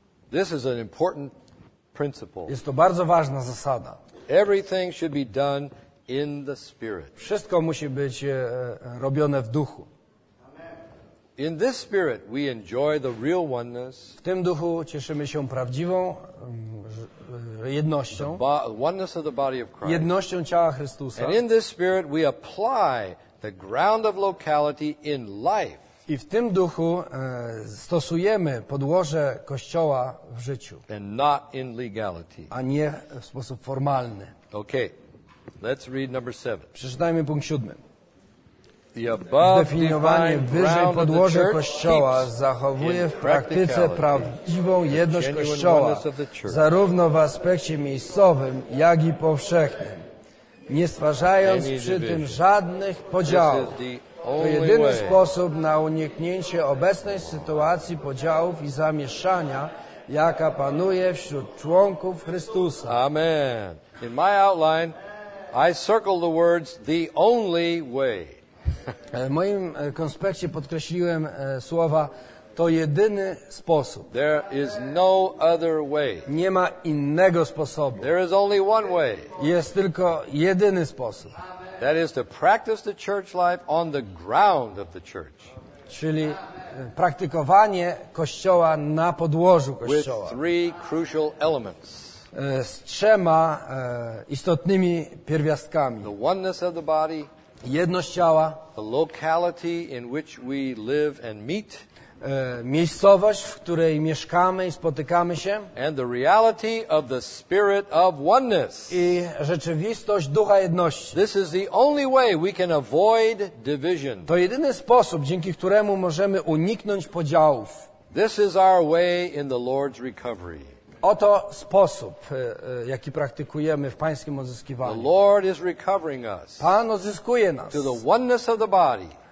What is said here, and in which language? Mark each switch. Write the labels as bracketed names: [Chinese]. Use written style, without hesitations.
[English] This is an important principle. [Polish] Jest to bardzo ważna zasada. [English] Everything should be done in the Spirit. [Polish] Wszystko musi być robione w duchu. [English] Amen. In this spirit we enjoy the real oneness. [Polish] W tym duchu cieszymy się prawdziwą jednością. [English] Oneness of the body of Christ. [Polish] Jednością ciała Chrystusa. [English] And in this spirit we apply the ground of locality in life. [Polish] I w tym duchu stosujemy podłoże kościoła w życiu. [English] And not in legality. [Polish] A nie w sposób formalny. [English] Okay. Let's read number 7. [Polish] Przeczytajmy punkt 7. [English] The above defined [Polish] wyżej podłoże kościoła zachowuje w praktyce prawdziwą jedność kościoła, zarówno w aspekcie miejscowym, jak i powszechnym, nie stwarzając przy tym żadnych podziałów. To jedyny sposób na uniknięcie obecnej sytuacji podziałów i zamieszania, jaka panuje wśród członków Chrystusa. [English] Amen. In my outline, I circle the words "the only way". [Polish] W moim konspekcie podkreśliłem słowa "to jedyny sposób". [English] There is no other way. [Polish] Nie ma innego sposobu. [English] There is only one way. [Polish] Jest tylko jedyny sposób. [English] That is to practice the church life on the ground of the church. [Polish] Czyli praktykowanie kościoła na podłożu kościoła. [English] With three crucial elements. [Polish] Z trzema istotnymi pierwiastkami. [English] The oneness of the body. [Polish] Jedność ciała, [English] the locality in which we live and meet, [Polish] miejscowość, w której mieszkamy i spotykamy się, [English] and the reality of the spirit of oneness. [Polish] I rzeczywistość ducha jedności. [English] This is the only way we can avoid division. [Polish] To jedyny sposób, dzięki któremu możemy uniknąć podziałów. [English] This is our way in the Lord's recovery. [Polish] Oto sposób, jaki praktykujemy w Pańskim odzyskiwaniu. [English] The Lord is recovering us. [Polish] Pan odzyskuje nas. [English] To the oneness of the body.